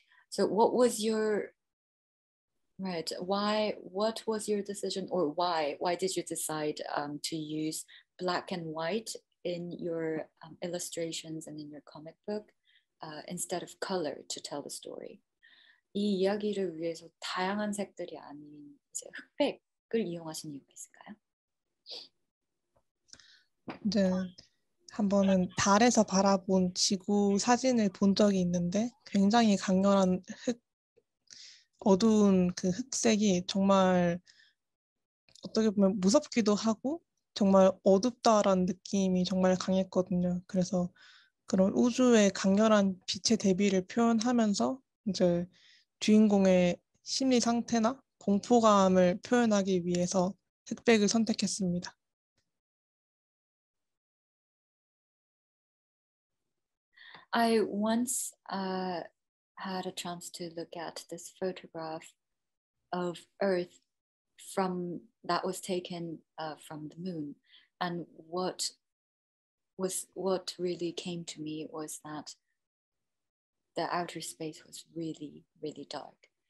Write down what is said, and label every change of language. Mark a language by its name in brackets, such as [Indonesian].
[English] So what was your, right, why, what was your decision, or why did you decide to use black and white in your illustrations and in your comic book instead of color to tell the story? [Korean] 이 이야기를 위해서 다양한 색들이 아닌 이제 흑백을 이용하신 이유가 있을까요? 이제 한 번은 달에서 바라본 지구 사진을 본 적이 있는데 굉장히 강렬한 흑 어두운 그 흑색이 정말 어떻게 보면 무섭기도 하고 정말 어둡다라는 느낌이 정말 강했거든요. 그래서 그런 우주의 강렬한 빛의 대비를 표현하면서 이제 주인공의 심리 상태나 공포감을 표현하기 위해서 흑백을 선택했습니다. [English] I once had a chance to look at this photograph of Earth from that was taken from the moon. And what really came to me was that the outer space was really, really dark.